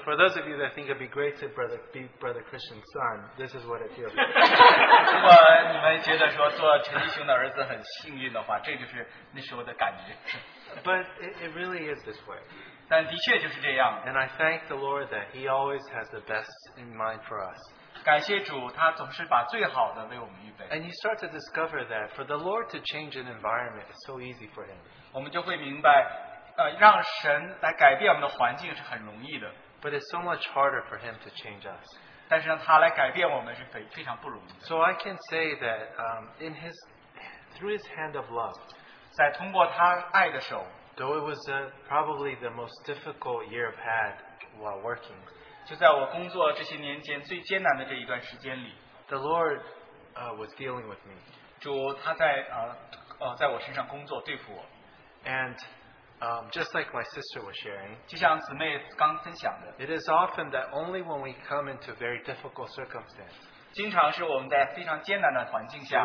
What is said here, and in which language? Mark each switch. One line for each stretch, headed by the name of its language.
English: for those of you that think it'd be great to be brother Christian's son, this is what it feels.
Chinese: 如果你们觉得说做陈弟兄的儿子很幸运的话，这就是那时候的感觉。
English: But it really is this way.
Chinese: 但的确就是这样。
English: And I thank the Lord that He always has the best in mind for us.
Chinese: 感谢主，他总是把最好的为我们预备。
English: And you start to discover that for the Lord to change an environment is so easy for Him.
Chinese: 我们就会明白，让神来改变我们的环境是很容易的。
English: But it's so much harder for Him to change us.
Chinese: 但是让他来改变我们是非常不容易的。
English: So I can say that in His through His hand of love,
Chinese: 在通过他爱的手,
English: though it was probably the most difficult year I've had while working.
Chinese: 就在我工作这些年间最艰难的这一段时间里,
English: the Lord was dealing with me.
Chinese: 主他在我身上工作对付我。
English: And just like my sister was sharing,
Chinese: 就像姊妹刚分享的,
English: it is often that only when we come into very difficult circumstances,
Chinese: 经常是我们在非常艰难的环境下,